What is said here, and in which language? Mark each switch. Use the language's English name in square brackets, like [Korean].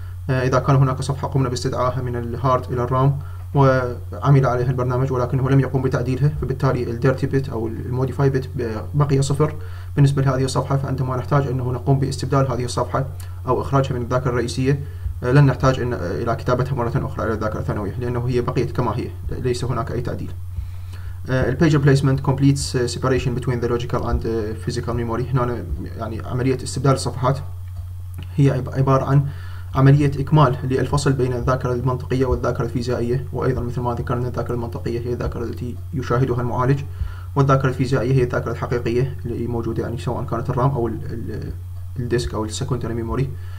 [Arabic] اذا كان هناك صفحه قمنا باستدعائها من الهارد الى الرام وعمل عليها البرنامج ولكنه لم يقوم بتعديلها، فبالتالي الديرتي بيت او الموديفاي بيت بقي صفر بالنسبه لهذه الصفحه، فعندما نحتاج انه نقوم باستبدال هذه الصفحه او اخراجها من الذاكره الرئيسيه لن نحتاج إلى كتابتها مرة أخرى إلى الذاكرة الثانوية، لأنه هي بقيت كما هي، ليس هناك أي تعديل. [English] Page replacement completes separation between the logical and physical memory. [Arabic] هنا يعني عملية استبدال الصفحات هي عبارة عن عملية إكمال للفصل بين الذاكرة المنطقية والذاكرة الفيزيائية، وأيضا مثل ما ذكرنا الذاكرة المنطقية هي الذاكرة التي يشاهدها المعالج، والذاكرة الفيزيائية هي الذاكرة الحقيقية اللي موجودة، يعني سواء كانت الرام أو الديسك أو السكندري ميموري.